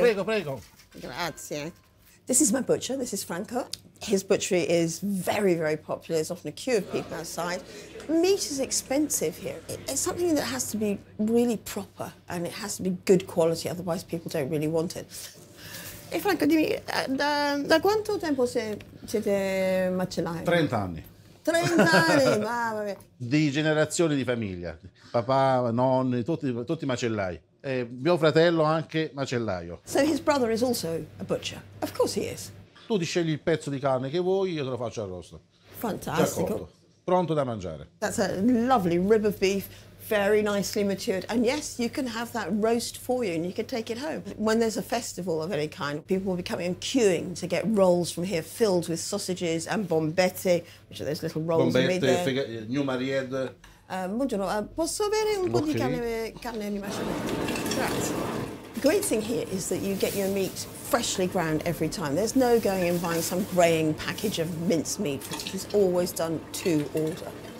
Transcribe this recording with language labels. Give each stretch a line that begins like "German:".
Italian: Prego, prego. Grazie.
English: This is my butcher, this is Franco. His butchery is very, very popular. There's often a queue of people outside. Meat is expensive here. It's something that has to be really proper and it has to be good quality, otherwise people don't really want it.
Italian: Hey Franco, dimmi, da quanto tempo siete macellaio? 30 anni. 30 anni, mamma mia. Di generazione di famiglia, papà, nonni, tutti macellai. Mio fratello anche macellaio.
English: So his brother is also a butcher? Of course he is.
Italian: Tu ti scegli il pezzo di carne che vuoi, io te lo faccio arrosto. Fantastico. Pronto da mangiare.
English: That's a lovely rib of beef, very nicely matured. And yes, you can have that roast for you and you can take it home. When there's a festival of any kind, people will be coming and queuing to get rolls from here filled with sausages and bombette, which are those little rolls
Italian: bombette,
English: made there. New Mariette.
Italian: Buongiorno, posso avere un po' di carne di macellaio?
English: Great thing here is that you get your meat freshly ground every time. There's no going and buying some graying package of minced meat, which is always done to order.